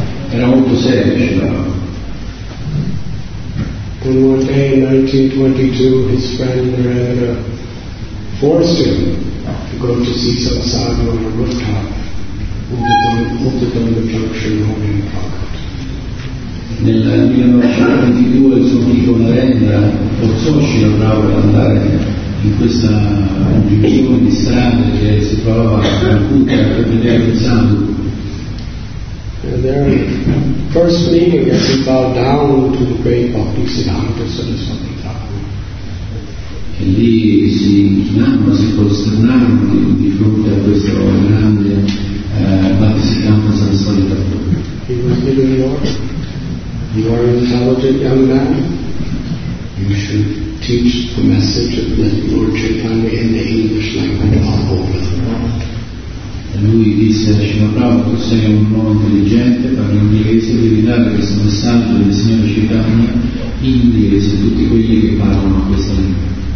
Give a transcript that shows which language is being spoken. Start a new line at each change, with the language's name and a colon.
Italian: Era molto semplice, però.
English: And one day in 1922, his friend Narendra forced him to go to see some sadhu on a rooftop with the junction home in pocket.
Italian: Nel 1922, il suo amico Narendra forzò Shirabrava ad andare in questa giunzione di strada che si trovava a Kuta per vedere il sadhu.
English: And there, first meeting, as he bowed down to the great Bhaktisiddhanta Saraswati Thakur.
Italian: E lì si inchinarono, si prosternarono di fronte a questo grande Bhaktisiddhanta Saraswati Thakur.
English: He was given the order. You are an intelligent young man. You should teach the message of the Lord Chaitanya in the English language all over the world.
Italian: E lui disse a Shimabrava, tu sei un uomo intelligente, parli in inglese, devi dare questo messaggio del Signore Chaitanya in inglese a tutti quelli che parlano questa lingua.